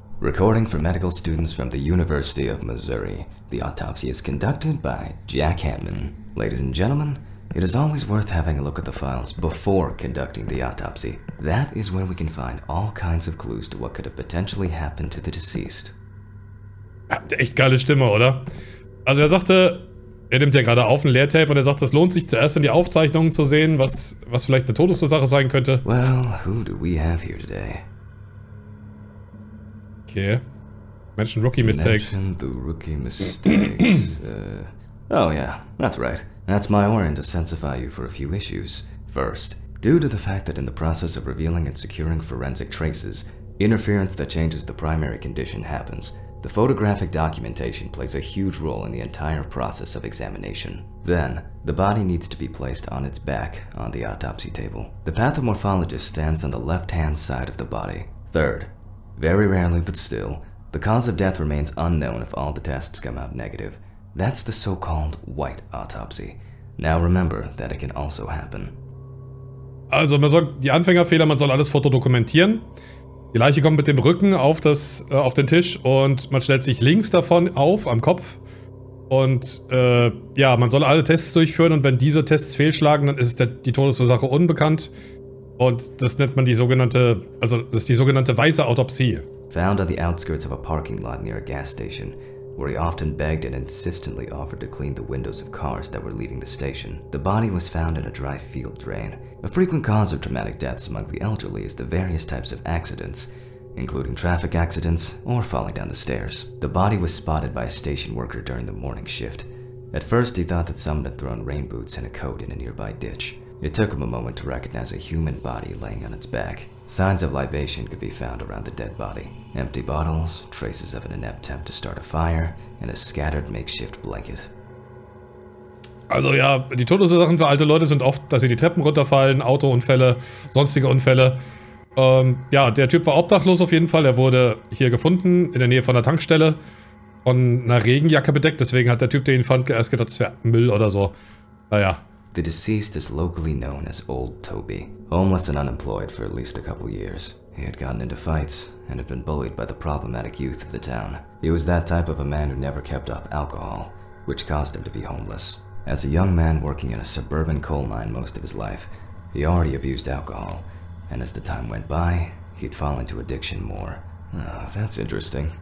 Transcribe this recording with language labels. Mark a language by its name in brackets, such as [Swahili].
[English] Recording for medical students from the University of Missouri. The autopsy is conducted by Jack Hammond. Ladies and gentlemen, it is always worth having a look at the files before conducting the autopsy. That is where we can find all kinds of clues to what could have potentially happened to the deceased. [German] Echt geile Stimme, oder? Also er sagte, er nimmt ja gerade auf ein Leertape und er sagt, es lohnt sich zuerst in die Aufzeichnungen zu sehen, was vielleicht eine Todesursache sein könnte. [English] Well, who do we have here today? Okay. Mention rookie mistakes. The rookie mistakes. Oh yeah, that's right. That's my warrant to sensify you for a few issues. First, due to the fact that in the process of revealing and securing forensic traces, interference that changes the primary condition happens. The photographic documentation plays a huge role in the entire process of examination. Then, the body needs to be placed on its back on the autopsy table. The pathomorphologist stands on the left-hand side of the body. Third, very rarely but still, the cause of death remains unknown if all the tests come out negative. That's the so-called white autopsy. Now remember that it can also happen. [German] Also man soll die Anfängerfehler, man soll alles fotodokumentieren. Die Leiche kommt mit dem Rücken auf den Tisch und man stellt sich links davon auf, am Kopf. Und ja, man soll alle Tests durchführen und wenn diese Tests fehlschlagen, dann ist die Todesursache unbekannt. Und das nennt man die sogenannte weiße Autopsie. [English] Found on the outskirts of a parking lot near a gas station, where he often begged and insistently offered to clean the windows of cars that were leaving the station. The body was found in a dry field drain. A frequent cause of traumatic deaths among the elderly is the various types of accidents, including traffic accidents or falling down the stairs. The body was spotted by a station worker during the morning shift. At first, he thought that someone had thrown rain boots and a coat in a nearby ditch. It took him a moment to recognize a human body laying on its back. Signs of libation could be found around the dead body. Empty bottles, traces of an inept attempt to start a fire, and a scattered makeshift blanket. [German] Also ja, die Todesursachen für alte Leute sind oft, dass sie die Treppen runterfallen, Autounfälle, sonstige Unfälle. Ja, der Typ war obdachlos auf jeden Fall. Er wurde hier gefunden, in der Nähe von der Tankstelle, von einer Regenjacke bedeckt. Deswegen hat der Typ, der ihn fand, erst gedacht, es wäre Müll oder so. Naja. [English] The deceased is locally known as Old Toby. Homeless and unemployed for at least a couple years. He had gotten into fights and had been bullied by the problematic youth of the town. He was that type of a man who never kept up alcohol, which caused him to be homeless. As a young man working in a suburban coal mine most of his life, he already abused alcohol, and as the time went by, he'd fall into addiction more. That's interesting.